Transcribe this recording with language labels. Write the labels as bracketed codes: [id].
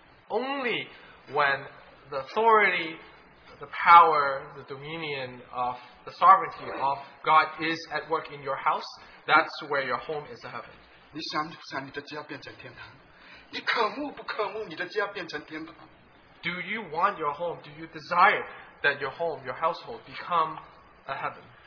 [en] Only when the authority, the power, the dominion of the sovereignty of God is at work in your house, that's where your home is a heaven. [zh] 你想不想你的家变成天堂？你渴慕不渴慕你的家变成天堂？ [en] Do you want your home? Do you desire that your home, your household, become a heaven?